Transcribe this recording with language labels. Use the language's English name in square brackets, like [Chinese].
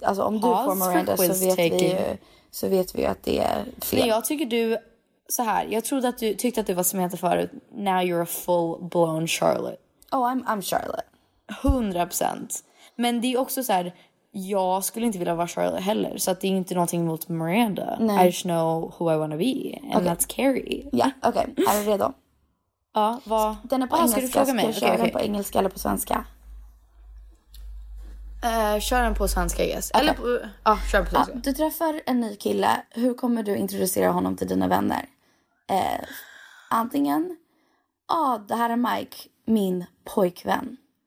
[Swedish] Alltså om du får Miranda så vet vi att det är fel. Nej, jag tycker du... Så här, jag trodde att du tyckte att du var som heter förut. [English] Now you're a full-blown Charlotte. Oh, I'm Charlotte. 100%. [Swedish] Men det är också så här, jag skulle inte vilja vara Charlotte heller, så att det är inte någonting mot Miranda. Nej. [English] I just know who I wanna be, and okay. That's Carrie. [Swedish] Ja, okej. Okay. Är du redo? Ja, vad? Den är på engelska. Ska du fråga mig? [English] Okay. [Swedish] Den på engelska eller på svenska? Kör den på svenska, yes. Okay. Eller på, kör den på svenska. Du träffar en ny kille. Hur kommer du introducera honom till dina vänner? Antingen, det här är Mike, min pojkvän.